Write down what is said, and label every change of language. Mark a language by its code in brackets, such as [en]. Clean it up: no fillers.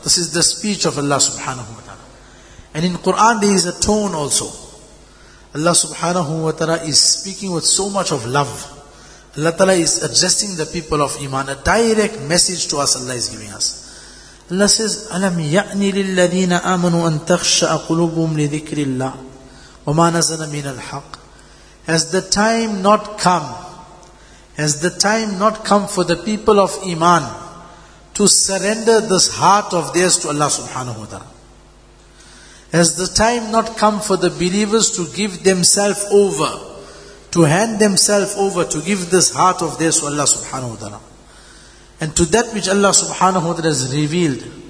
[en] This is the speech of Allah subhanahu wa ta'ala. And in Quran there is a tone also. Allah subhanahu wa ta'ala is speaking with so much of love. Allah ta'ala is addressing the people of iman. A direct message to us Allah is giving us. Allah says, [ar] أَلَمْ يَأْنِ لِلَّذِينَ آمَنُوا أَن تَخْشَأَ قُلُوبُهُمْ لِذِكْرِ اللَّهِ وَمَا نَزَلَ مِنَ الْحَقِّ. [en] Has the time not come? Has the time not come for the people of iman to surrender this heart of theirs to Allah subhanahu wa ta'ala? Has the time not come for the believers to give themselves over, to hand themselves over, to give this heart of theirs to Allah subhanahu wa ta'ala, and to that which Allah subhanahu wa ta'ala has revealed?